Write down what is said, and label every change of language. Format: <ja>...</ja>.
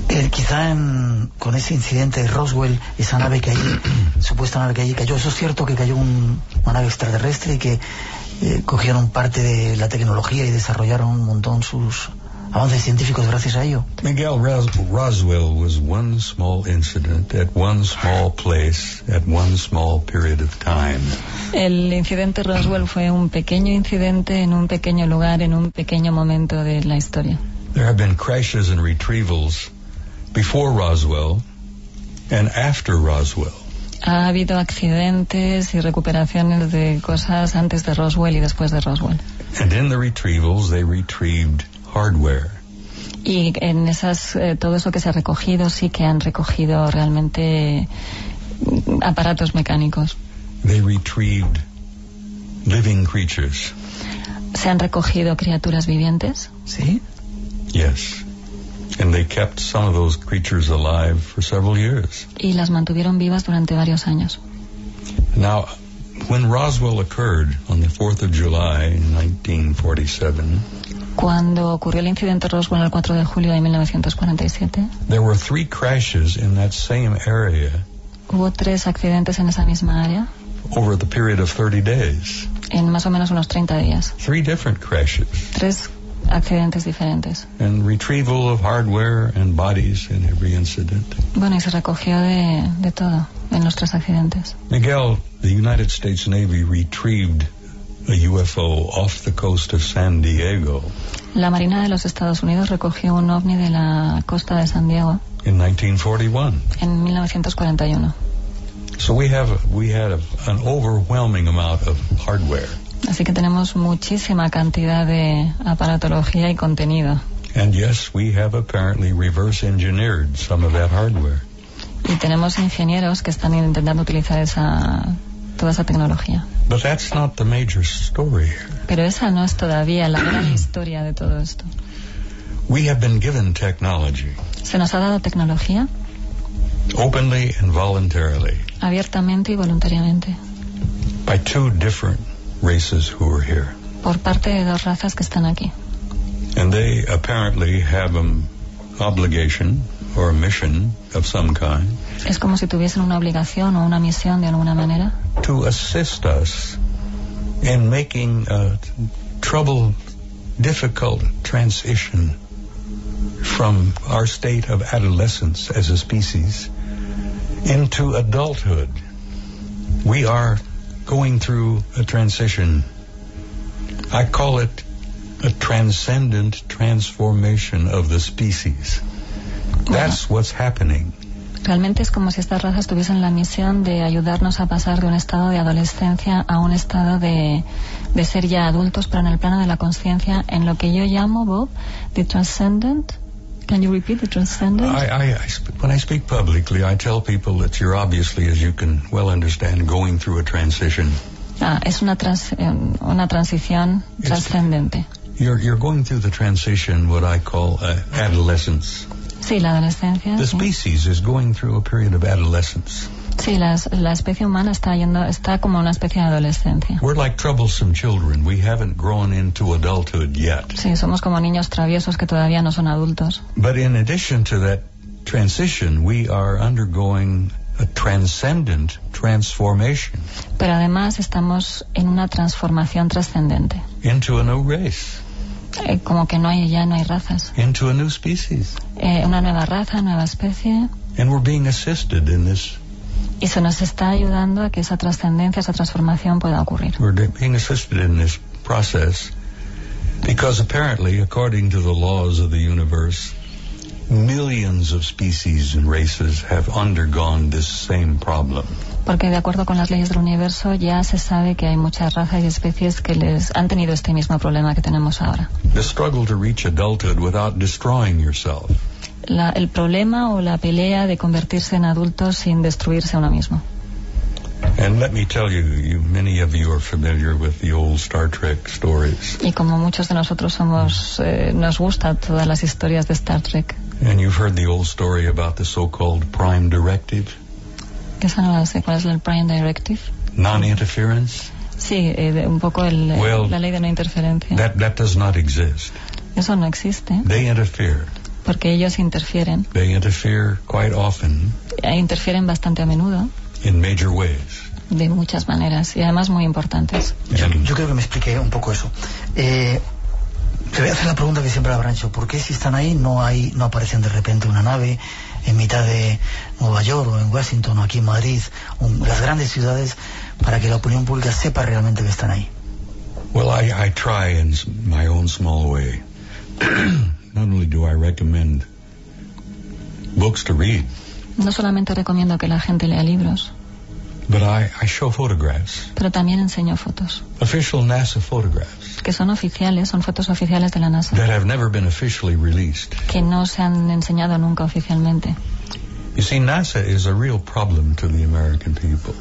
<es>Quizá con ese incidente de Roswell, esa nave que allí, supuesta nave que allí cayó, ¿eso es cierto que cayó una nave extraterrestre y que cogieron parte de la tecnología y desarrollaron un montón sus avances científicos gracias a ello?</es> <en>Miguel, Roswell was one small incident at one small place at one small period of time.</en> <es>El incidente Roswell fue un pequeño incidente en un pequeño lugar, en un pequeño momento de la historia.</es> <en>There have been crashes and retrievals before Roswell and after Roswell.</en> <es>Ha habido accidentes y recuperaciones de cosas antes de Roswell y después de Roswell.</es> <en>And in the retrievals, they retrieved hardware.</en> <es>Y en esas, todo eso que se ha recogido, sí que han recogido realmente aparatos mecánicos.</es> <en>They retrieved living creatures.</en> <es>¿Se han recogido criaturas vivientes? Sí.</es> <en>Yes, and they kept some of those creatures alive for several years.</en> <es>Y las mantuvieron vivas durante varios años.</es> <en>Now, when Roswell occurred on the 4th of July in 1947,</en> <es>cuando ocurrió el incidente Roswell el 4 de julio de 1947,</es> <en>there were three crashes in that same area.</en> <es>Hubo tres accidentes en esa misma área.</es> <en>Over the period of 30 days.</en> <es>En más o menos unos 30 días.</es> <en>Three different crashes.</en> <es>Tres accidentes diferentes.</es> <en>And retrieval of hardware and bodies in every incident.</en> <es>Bueno, y se recogió de todo en los tres accidentes.</es> <en>Miguel, the United States Navy retrieved a UFO off the coast of San Diego.</en> <es>La Marina de los Estados Unidos recogió un ovni de la costa de San Diego.</es> <en>In 1941.</en> <es>En 1941.</es> <en>So we had an overwhelming amount of hardware.</en> <es>Así que tenemos muchísima cantidad de aparatología y contenido.</es> <en>And yes, we have apparently reverse engineered some of that hardware.</en> <es>Y tenemos ingenieros que están intentando utilizar toda esa tecnología.</es> <en>But that's not the major story.</en> <es>Pero esa no es todavía la gran historia de todo esto.</es> <en>We have been given technology.</en> <es>Se nos ha dado tecnología.</es> <en>Openly and voluntarily.</en> <es>Abiertamente y voluntariamente.</es> <en>By two different races who are here.</en> <es>Por parte de dos razas que están aquí.</es> <en>And they apparently have an obligation or a mission of some kind.</en> <es>Es como si tuviesen una obligación o una misión de alguna manera.</es> <en>To assist us in making a troubled, difficult transition from our state of adolescence as a species into adulthood. We are going through a transition. I call it a transcendent transformation of the species. That's what's happening.</en> <es>Realmente es como si estas razas tuviesen la misión de ayudarnos a pasar de un estado de adolescencia a un estado de ser ya adultos, pero en el plano de la conciencia, en lo que yo llamo, Bob,</es> <en>the transcendent. Can you repeat the transcendent? When I speak publicly, I tell people that you're obviously, as you can well understand, going through a transition.</en> <es>Es una transición trascendente.</es> <en>You're going through the transition, what I call adolescence.</en> <es>Sí, la adolescencia.</es> <en>The species is going through a period of adolescence.</en> <es>Sí, la especie humana está como una especie de adolescencia.</es> <en>We're like troublesome children. We haven't grown into adulthood yet.</en> <es>Sí, somos como niños traviesos que todavía no son adultos.</es> <en>But in addition to that transition, we are undergoing a transcendent transformation.</en> <es>Pero además estamos en una transformación trascendente.</es> <en>Into a new race.</en> <es>Como que no hay razas.</es> <en>Into a new species.</en> <es>Una nueva raza, nueva especie.</es> <en>And we're being assisted in this.</en> <es>Y se nos está ayudando a que esa trascendencia, esa transformación pueda ocurrir.</es> <en>We're being assisted in this process Because apparently, according to the laws of the universe, millions of species and races have undergone this same problem.</en> <es>Porque de acuerdo con las leyes del universo ya se sabe que hay muchas razas y especies que les han tenido este mismo problema que tenemos ahora.</es> <en>The struggle to reach adulthood without destroying yourself.</en> <es>El problema o la pelea de convertirse en adulto sin destruirse a uno mismo.</es> <en>And let me tell you, many of you are familiar with the old Star Trek stories.</en> <es>Y como muchos de nosotros somos, nos gusta todas las historias de Star Trek.</es> <en>And you've heard the old story about the so-called Prime Directive.</en> <es>¿Qué son las secuelas del Prime Directive?</es> <en>Non-interference.</en> <es>Sí, un poco la ley de no interferencia.</es> <en>That does not exist.</en> <es>Eso no existe.</es> <en>They interfere.</en> <es>Porque ellos interfieren.</es> <en>They interfere quite often.</en> <es>Interfieren bastante a menudo.</es> <en>In major ways.</en> <es>De muchas maneras y además muy importantes. Yo creo que me expliqué un poco eso. Te voy a hacer la pregunta que siempre habrán hecho. ¿Por qué si están ahí no aparecen de repente una nave en mitad de Nueva York o en Washington o aquí en Madrid, las grandes ciudades, para que la opinión pública sepa realmente que están ahí?</es> <en>Well, I try in my own small way. Not only do I recommend books to read.</en> <es>No solamente recomiendo que la gente lea libros.</es> <en>But I show photographs.</en> <es>Pero también enseño fotos.</es> <en>Official NASA photographs.</en> <es>Que son oficiales, son fotos oficiales de la NASA.</es> <en>That have never been officially released.</en> <es>Que no se han enseñado nunca oficialmente.</es> <en>You see, NASA is a real problem to the American people.</en>